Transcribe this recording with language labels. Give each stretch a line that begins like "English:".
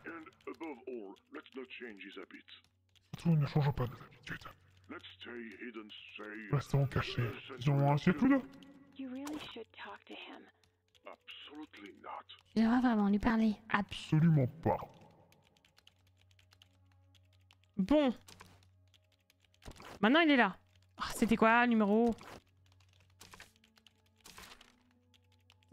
English: And above all, let's not change his habits.
French: Surtout, ne change pas d'habitude.
English: Let's stay hidden, say...
French: Restons cachés. Ils ont un siècle ou deux.
English: You really should talk to him.
French: Je dois vraiment lui parler. Absolument pas. Bon. Maintenant il est là. Oh, c'était quoi le numéro ?